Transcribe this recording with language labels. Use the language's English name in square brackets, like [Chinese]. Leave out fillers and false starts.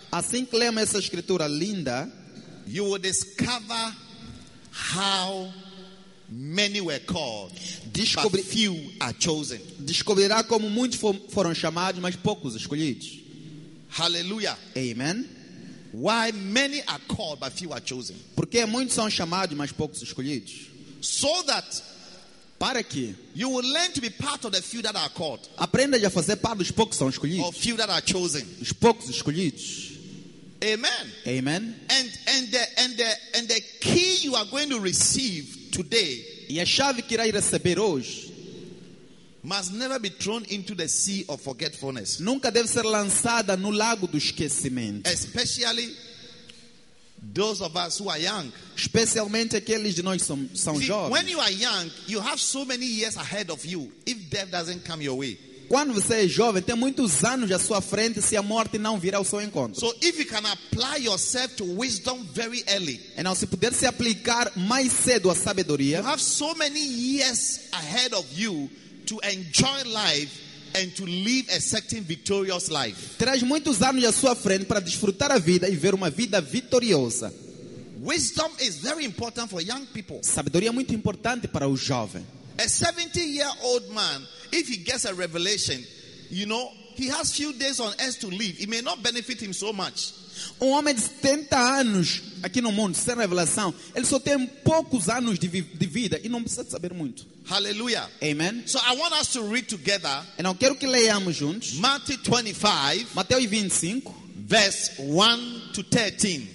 [Portuguese] assim que lemos essa escritura linda, [English] you will discover how many were called, but few are chosen. [Portuguese] Descobrirá como muitos foram chamados, mas poucos escolhidos. Hallelujah. Amen. [English] Why many are called, but few are chosen? [Portuguese] Porque muitos são chamados, mas poucos escolhidos. [English] So that, [Portuguese] para que [English] you will learn to be part of the few that are called. [Portuguese] Aprenda a fazer parte dos poucos são escolhidos. [English] Or few that are chosen. [Portuguese] Os poucos escolhidos. Amen. Amen. [English] And the key you are going to receive today. [Portuguese] E a chave que irás receber hoje. [English] Must never be thrown into the sea of forgetfulness. [Portuguese] Nunca deve ser lançada no lago do esquecimento. [English] Especially those of us who are young. [Portuguese] Especialmente aqueles de nós que são jovens. [English] When you are young, you have so many years ahead of you if death doesn't come your way. [Portuguese] Quando você é jovem, tem muitos anos à sua frente se a morte não vir ao seu encontro. [English] So if you can apply yourself to wisdom very early. [Portuguese] Então se puder se aplicar mais cedo à sabedoria. [English] You have so many years ahead of you to enjoy life and to live a certain victorious life. [Portuguese] Terás muitos anos à sua frente para desfrutar a vida e ver uma vida vitoriosa. [English] Wisdom is very important for young people. [Portuguese] Sabedoria é muito importante para o jovem. [English] A 70-year-old man, if he gets a revelation, you know, he has few days on earth to live. It may not benefit him so much. [Portuguese] Um homem de 70 anos aqui no mundo sem revelação, ele só tem poucos anos de vida e não precisa de saber muito. Hallelujah. Amen. [English] So I want us to read together. [Portuguese] Então eu quero que leiamos juntos. [English] Matthew 25, [Portuguese] Mateus 25, [English] verse 1 to 13.